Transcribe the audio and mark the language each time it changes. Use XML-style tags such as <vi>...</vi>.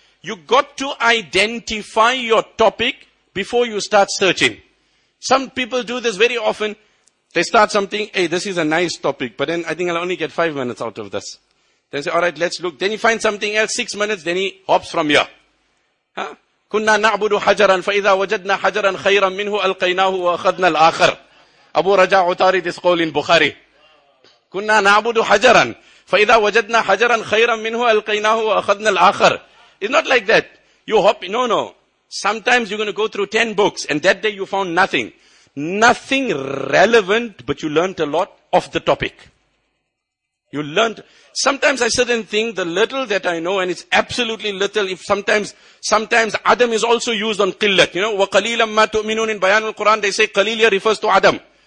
<en>You've got to identify your topic before you start searching. Some people do this very often. They start something, hey, this is a nice topic, but then I think I'll only get 5 minutes out of this. Then say, all right, let's look. Then he finds something else, 6 minutes, then he hops from here. Huh?</en> <ar>كُنَّا نَعْبُدُ حَجَرًا فَإِذَا وَجَدْنَا حَجَرًا خَيْرًا مِّنْهُ أَلْقَيْنَاهُ وَأَخَذْنَا الْآخَرِ</ar> <en>Abu Raja Utari, this call in Bukhari.</en> <ar>كُنَّا نَعْبُدُ حَجَرًا فَإِذَا وَجَدْنَا حَجَرًا خَيْرًا مِّنْهُ أَلْقَيْنَاهُ وَأَخَذْنَا الْآخَرِ</ar> <en>It's not like that. You hop, no, no. Sometimes you're going to go through 10 books and that day you found nothing. Nothing relevant, but you learned a lot of the topic. You learned, sometimes I certain thing, the little that I know, and it's absolutely little, if sometimes Adam is also used on qillat, you know,</en> <ar>وَقَلِيلًا مَّا تُؤْمِنُونَ</ar> <en>in Bayan al-Quran, they say qalilia refers to Adam.</en>